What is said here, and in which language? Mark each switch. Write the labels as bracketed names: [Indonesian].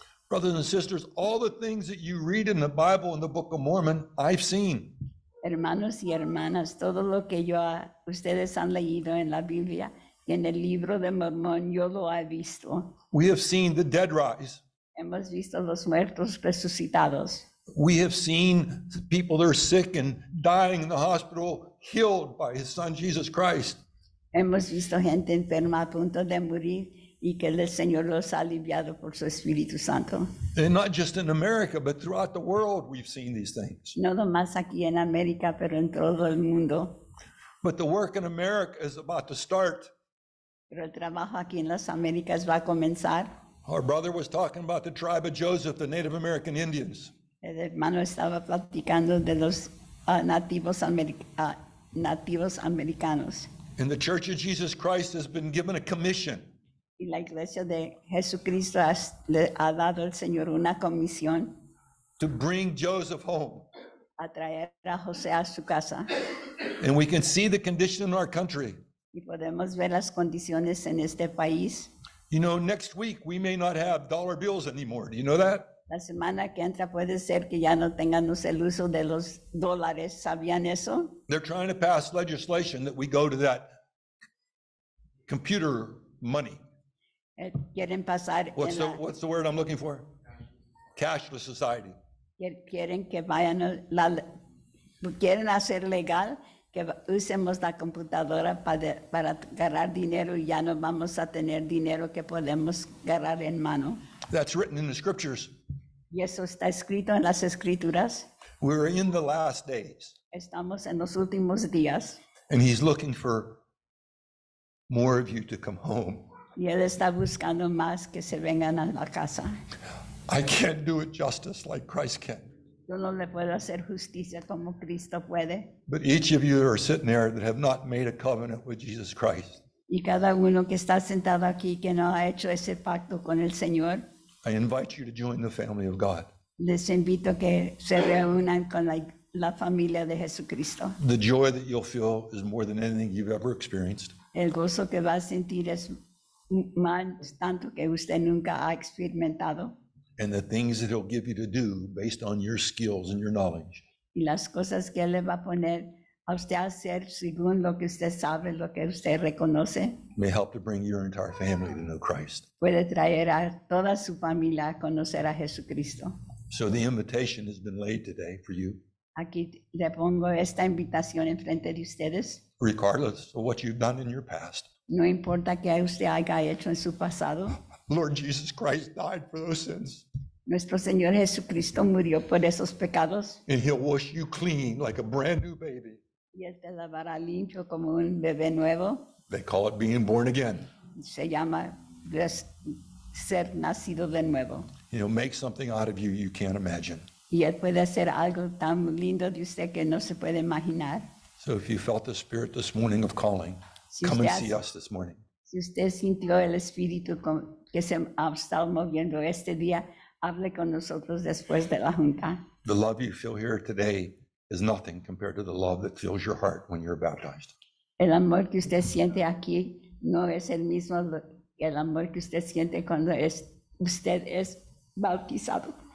[English] Brothers and sisters, all the things that you read in the Bible in the Book of Mormon, I've seen. [Spanish] Hermanos y hermanas, todo lo que ustedes han leído en la Biblia y en el libro de Mormón, yo lo he visto. [English] We have seen the dead rise. [Spanish] Hemos visto los muertos resucitados. [English] We have seen people that are sick and dying in the hospital healed by his son Jesus Christ. [Spanish] Hemos visto gente enferma a punto de morir y que el Señor los ha aliviado por su Espíritu Santo. [English] And not just in America, but throughout the world, we've seen these things. [Spanish] No nomás aquí en América, pero en todo el mundo. [English] But the work in America is about to start. [Spanish] Pero el trabajo aquí en las Américas va a comenzar. [English] Our brother was talking about the tribe of Joseph, the Native American Indians. [Spanish] El hermano estaba platicando de los nativos americanos. [English] And the Church of Jesus Christ has been given a commission. [Spanish] Y la iglesia de Jesucristo le ha dado al Señor una comisión. [English] To bring Joseph home. [Spanish] A traer a José a su casa. [English] And we can see the condition in our country. [Spanish] Y podemos ver las condiciones en este país. [English] You know, next week we may not have dollar bills anymore. Do you know that? [Spanish] La semana que entra puede ser que ya no tengamos el uso de los dólares. ¿Sabían eso? [English] They're trying to pass legislation that we go to that computer money. [Spanish] Quieren pasar [English] what's the word I'm looking for? Cashless society. [Spanish] Quieren que vayan quieren hacer legal que usemos la computadora para agarrar dinero y ya no vamos a tener dinero que podemos agarrar en mano. [English] That's written in the scriptures. [Spanish] Y eso está escrito en las escrituras. [English] We're in the last days. [Spanish] Estamos en los últimos días. [English] And he's looking for more of you to come home. [Spanish] Y él está buscando más que se vengan a la casa. [English] I can't do it justice like Christ can. [Spanish] Yo no le puedo hacer justicia como Cristo puede. [English] But each of you are sitting there that have not made a covenant with Jesus Christ. [Spanish] Y cada uno que está sentado aquí que no ha hecho ese pacto con el Señor. [English] I invite you to join the family of God. [Spanish] Les invito que se reúnan con la familia de Jesucristo. [English] The joy that you'll feel is more than anything you've ever experienced. [Spanish] El gozo que va a sentir es más tanto que usted nunca ha experimentado. [English] And the things that he'll give you to do based on your skills and your knowledge. [Spanish] Y las cosas que él le va a poner a usted a hacer según lo que usted sabe, lo que usted reconoce. [English] May help to bring your entire family to know Christ. [Spanish] Puede traer a toda su familia a conocer a Jesucristo. [English] So the invitation has been laid today for you. [Spanish] Aquí le pongo esta invitación en frente de ustedes. [English] Regardless of what you've done in your past. [Spanish] No importa qué usted haya hecho en su pasado. [English] Lord Jesus Christ died for those sins. [Spanish] Nuestro Señor Jesucristo murió por esos pecados. [English] And he'll wash you clean like a brand new baby. [Spanish] Y él te lavará limpio como un bebé nuevo. [English] They call it being born again. [Spanish] Se llama ser nacido de nuevo. [English] He'll make something out of you you can't imagine. [Spanish] Y él puede hacer algo tan lindo de usted que no se puede imaginar. [English] So if you felt the Spirit this morning of calling, come and see us this morning. [Spanish] Si usted sintió el Espíritu que se ha estado moviendo este día, hable con nosotros después de la junta. [English] The love you feel here today is nothing compared to the love that fills your heart when you're baptized. [Spanish] El amor que usted siente aquí no es el mismo el amor que usted siente cuando es, usted es bautizado.